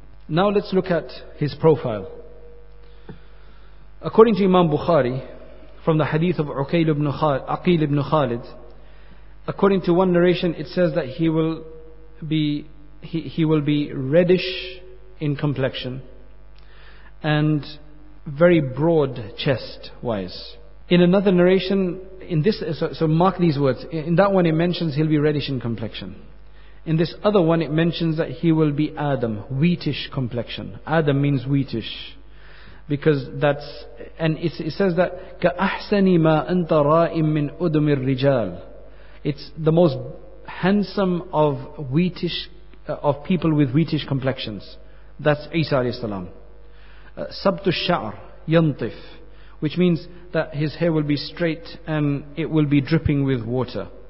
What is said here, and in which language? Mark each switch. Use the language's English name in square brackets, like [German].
[English] Now let's look at his profile. According to Imam Bukhari, from the hadith of Aqil ibn Khalid, according to one narration, it says that he will be reddish in complexion and very broad chest wise. In another narration, mark these words. In that one, it mentions he'll be reddish in complexion. In this other one, it mentions that he will be Adam, wheatish complexion. Adam means wheatish. Because that's, and it says that [Arabic] كَأَحْسَنِ مَا أَنْتَ رَائِمْ مِنْ أُدُمِ الرِّجَالِ. [English] It's the most handsome of wheatish, of people with wheatish complexions. That's Isa alayhi salam. [Arabic] سَبْتُ الشَّعْرِ يَنْطِفْ, [English] which means that his hair will be straight and it will be dripping with water.